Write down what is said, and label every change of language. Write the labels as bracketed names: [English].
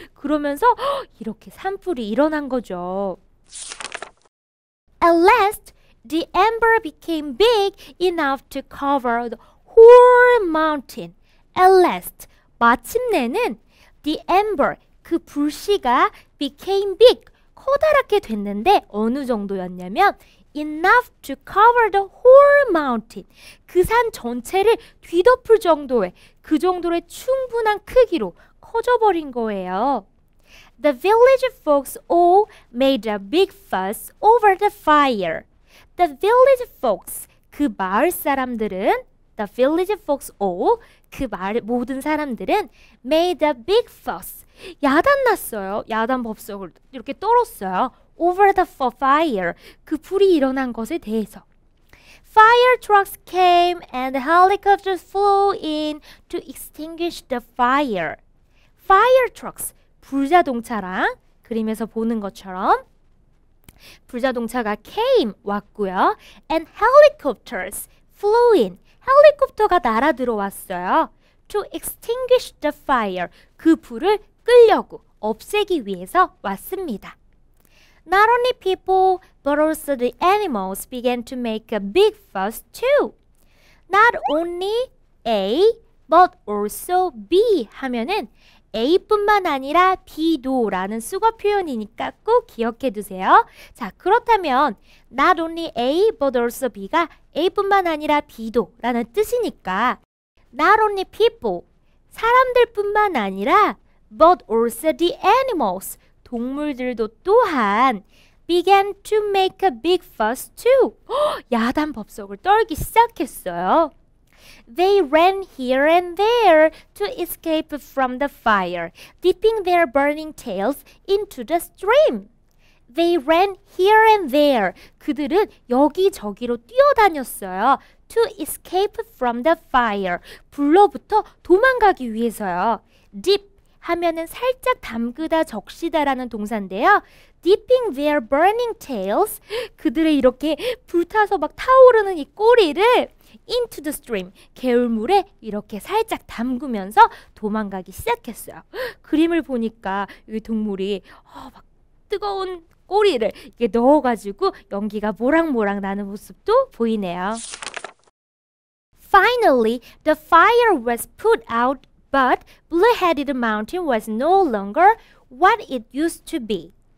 [Korean] 그러면서 이렇게 산불이 일어난 거죠. [English] At last, the ember became big enough to cover the whole mountain. [Korean] At last, 마침내는 the ember, 그 불씨가 became big, 커다랗게 됐는데 어느 정도였냐면 [English] enough to cover the whole mountain, [Korean] 그 산 전체를 뒤덮을 정도의 그 정도의 충분한 크기로 커져버린 거예요. [English] The village folks all made a big fuss over the fire. The village folks, [Korean] 그 마을 사람들은 [English] The village folks all, [Korean] 그 마을 모든 사람들은 [English] made a big fuss. [Korean] 야단 났어요. 야단 법석을 이렇게 떨었어요. [English] Over the fire, [Korean] 그 불이 일어난 것에 대해서. [English] Fire trucks came and the helicopters flew in to extinguish the fire. [Korean] Fire trucks, 불자동차랑 그림에서 보는 것처럼 불자동차가 came, 왔고요. [English] And helicopters flew in. [Korean] 헬리콥터가 날아 들어왔어요. [English] To extinguish the fire. [Korean] 그 불을 끄려고, 없애기 위해서 왔습니다. [English] Not only people, but also the animals began to make a big fuss too. [Korean] Not only A, but also B 하면은 A뿐만 아니라 B도 라는 수거 표현이니까 꼭 기억해 두세요. 자, 그렇다면 not only A, but also B가 A뿐만 아니라 B도 라는 뜻이니까 not only people, 사람들뿐만 아니라 but also the animals, 동물들도 또한 [English] began to make a big fuss too. [Korean] 야단 법석을 떨기 시작했어요. [English] They ran here and there to escape from the fire, dipping their burning tails into the stream. They ran here and there. [Korean] 그들은 여기저기로 뛰어다녔어요. [English] To escape from the fire. [Korean] 불로부터 도망가기 위해서요. Dip 하면은 살짝 담그다 적시다라는 동사인데요. [English] Dipping their burning tails. [Korean] 그들의 이렇게 불타서 막 타오르는 이 꼬리를 into the stream, 개울물에 이렇게 살짝 담그면서 도망가기 시작했어요. 그림을 보니까 이 동물이 막 뜨거운 꼬리를 이렇게 넣어가지고 연기가 모락모락 나는 모습도 보이네요. [English] Finally, the fire was put out, but Blue-headed Mountain was no longer what it used to be.